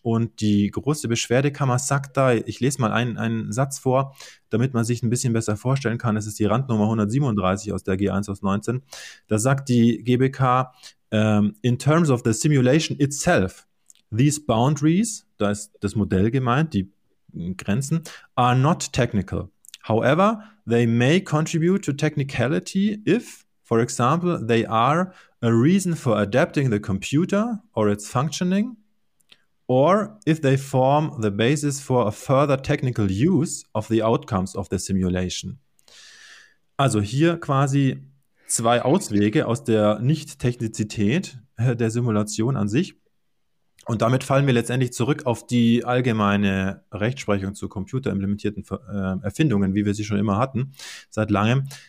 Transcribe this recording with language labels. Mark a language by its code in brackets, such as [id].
[de] Und die große Beschwerdekammer sagt da, ich lese mal einen Satz vor, damit man sich ein bisschen besser vorstellen kann, das ist die Randnummer 137 aus der G1 aus 19, da sagt die GBK, [en] in terms of the simulation itself, these boundaries, [de] da ist das Modell gemeint, die Grenzen, [en] are not technical. However, they may contribute to technicality if, for example, they are a reason for adapting the computer or its functioning, or if they form the basis for a further technical use of the outcomes of the simulation. [de] Also hier quasi zwei Auswege aus der Nicht-Technizität der Simulation an sich. Und damit fallen wir letztendlich zurück auf die allgemeine Rechtsprechung zu computerimplementierten Erfindungen, wie wir sie schon immer hatten, seit langem.